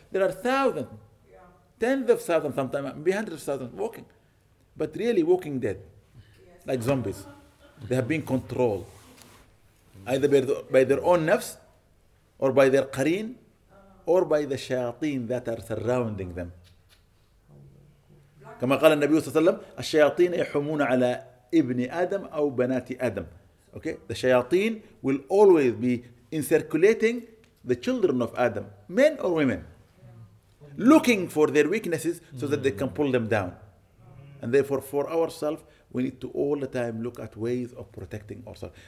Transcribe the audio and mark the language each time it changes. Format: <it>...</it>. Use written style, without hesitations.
<en>There are thousands, tens of thousands sometimes, maybe hundreds of thousands walking. But really walking dead, like zombies. They have been controlled. Either by their own nafs, or by their qareen, or by the shayateen that are surrounding them.</en> <ar>كما قال النبي صلى الله عليه وسلم, الشياطين يحمون على ابن آدم أو بنات آدم.</ar> <en>Okay, the shayateen will always be encirculating the children of Adam, men or women, looking for their weaknesses so that they can pull them down. And therefore, for ourselves, we need to all the time look at ways of protecting ourselves.</en>